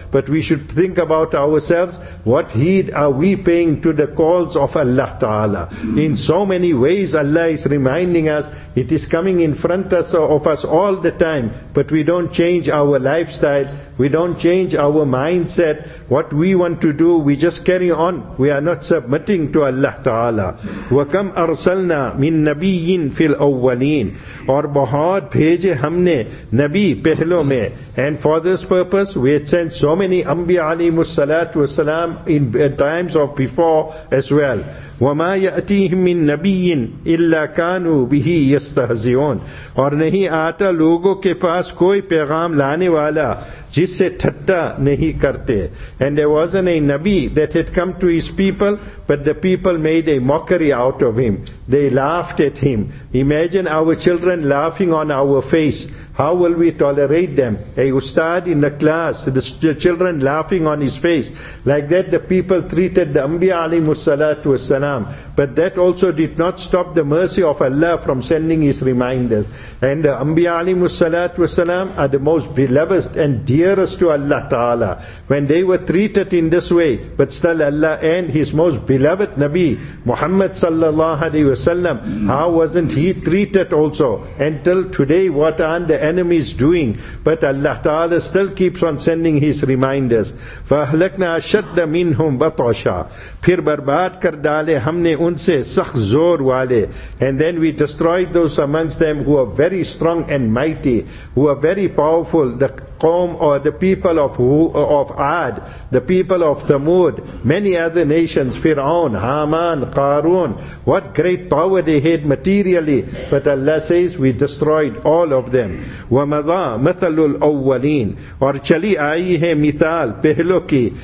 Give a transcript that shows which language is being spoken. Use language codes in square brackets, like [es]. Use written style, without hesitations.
[en] But we should think about ourselves, what heed are we paying to the calls of Allah Ta'ala? In so many ways Allah is reminding us, it is coming in front of us all the time, but we don't change our lifestyle, we don't change our mindset, what we want to do, we just carry on, we are not submitting to Allah Ta'ala. [ar] وَكَمْ أَرْسَلْنَا مِن نَبِيٍ فِي الْأَوَّلِينَ [ur] اور بہت بھیجے ہم نے نبی پہلوں میں. [en] And for this purpose, we had sent so many Anbiya alayhimu salatu wasalam in times of before as well. [ar] وَمَا يَأْتِيهِمْ مِن نَبِيٍ إِلَّا كَانُوا بِهِ يَسْتَهْزِيُونَ [ur] اور نہیں آتا لوگوں کے پاس کوئی پیغام لانے والا جس سے ٹھٹا نہیں کرتے. [en] And there wasn't a nabi that had come to his people, but the people made a mockery out of him. They laughed at him. Imagine our children laughing on our face. How will we tolerate them? A ustad in the class, the children laughing on his face. Like that the people treated the Anbiya alayhimu salatu wasalam. But that also did not stop the mercy of Allah from sending his reminders. And the Anbiya alayhimu salatu wasalam are the most beloved and dearest to Allah Ta'ala. When they were treated in this way, but still Allah and his most beloved Nabi, Muhammad sallallahu alayhi wasallam, how wasn't he treated also? Until today, what are the enemies doing? But Allah Ta'ala still keeps on sending his reminders. [ar] فَأَهْلَكْنَا أَشَدَّ مِنْهُمْ بَطَوْشَا [ur] پھر برباد کر ڈالے ہم نے ان سے سخت زور والے. [en] And then we destroyed those amongst them who are very strong and mighty, who are very powerful, the قوم or the people of Ad, the people of Thamud, many other nations, Fir'aun, Haman, Qarun, what great power they had materially. But Allah says, we destroyed all of them. [ar] وَمَضَى مَثَلُ الْأَوَّلِينَ [ur] اور چلی آئی ہے مثال پہلو کی.